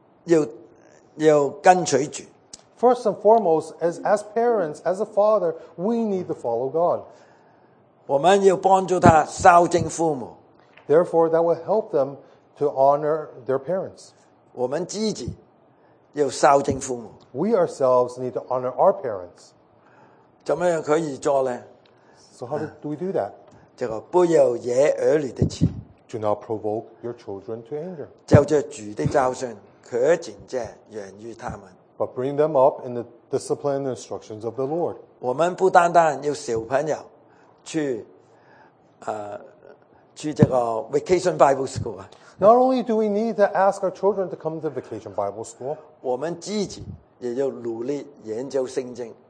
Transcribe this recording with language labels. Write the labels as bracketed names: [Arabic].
[Chinese] 首先我们积极要跟随主。 [English] First and foremost, as parents, as a father, we need to follow God. [Chinese] 我们要帮助他孝敬父母。 [English] Therefore, that will help them to honor their parents. [Chinese] 我们积极要孝敬父母。 [English] We ourselves need to honor our parents. [Chinese] 怎么样可以做呢? [English] So how do we do that? [Chinese] 这个不要惹儿女的气。 [English] Do not provoke your children to anger. [Chinese] 照着主的教训，可谨戒，养育他们。 [English] But bring them up in the discipline and instructions of the Lord. [Chinese] 我们不单单有小朋友去, vacation Bible school. [English] Not only do we need to ask our children to come to vacation Bible school, [Chinese] 我们积极也要努力研究圣经。